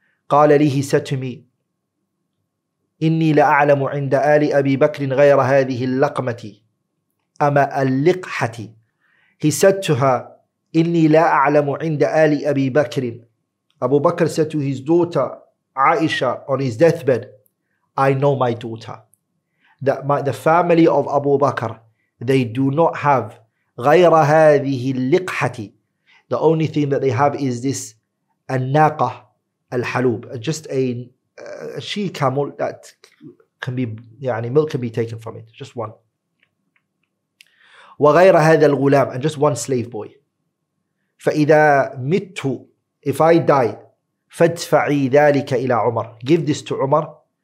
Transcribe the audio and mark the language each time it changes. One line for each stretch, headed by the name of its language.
Arabic: قال لي,
English: he said to me,
Arabic: إني لأعلم عند آل أبي بكر غير هذه اللقمة أما اللقحة.
English: He said to her,
Arabic: إني لا أعلم عند آل أبي بكر.
English: Abu Bakr said to his daughter Aisha on his deathbed, I know my daughter, that the family of Abu Bakr, they do not have
Arabic: غير هذه اللقحة.
English: The only thing that they have is this
Arabic: الناقة الحلوب,
English: just a she camel that can be, يعني milk can be taken from it, just one.
Arabic: وغير هذا الغلام,
English: and just one slave boy.
Arabic: فإذا مت,
English: if I die,
Arabic: فادفعي ذلك إلى عمر,
English: give this to عمر.